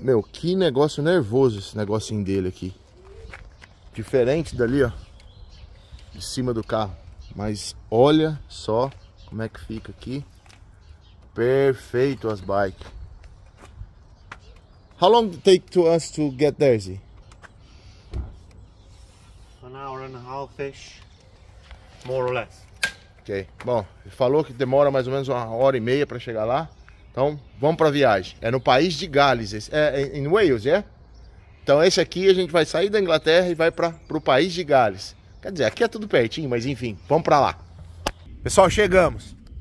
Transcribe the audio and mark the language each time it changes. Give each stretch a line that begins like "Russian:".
Portuguese: Meu, que negócio nervoso esse negocinho dele aqui. Diferente dali, ó, de cima do carro. Mas olha só como é que fica aqui. Perfeito as bikes.
English: How long did it take to us to get there, Zi? An hour and a half-ish, more or less. Ok.
Portuguese: Bom, ele falou que demora mais ou menos uma hora e meia para chegar lá. Então, vamos para a viagem. É no país de Gales, em Wales, é? Então, esse aqui a gente vai sair da Inglaterra e vai para o país de Gales. Quer dizer, aqui é tudo pertinho, mas enfim, vamos para lá. Pessoal, chegamos.